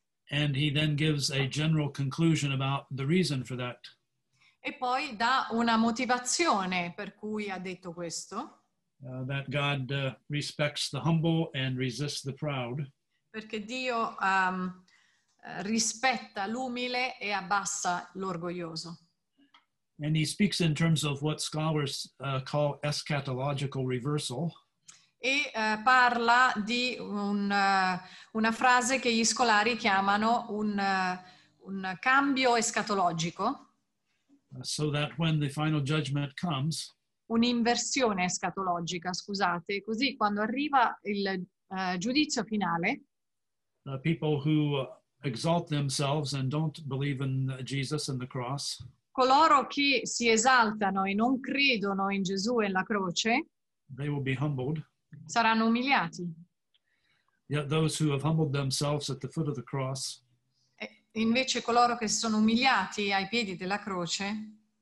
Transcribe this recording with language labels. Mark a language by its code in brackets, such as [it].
[en] And he then gives a general conclusion about the reason for that. [it] E poi dà una motivazione per cui ha detto questo. [en] That God respects the humble and resists the proud. [it] Perché Dio rispetta l'umile e abbassa l'orgoglioso. [en] And he speaks in terms of what scholars call eschatological reversal. [it] E parla di una frase che gli scolari chiamano un cambio escatologico. [en] So that when the final judgment comes, [it] un'inversione escatologica, scusate, così quando arriva il giudizio finale, [en] people who exalt themselves and don't believe in Jesus and the cross. [it] Coloro che si esaltano e non credono in Gesù e la croce, [en] they will be humbled. [it] Saranno umiliati. [en] Yet those who have humbled themselves at the foot of the cross, [it] invece coloro che si sono umiliati ai piedi della croce,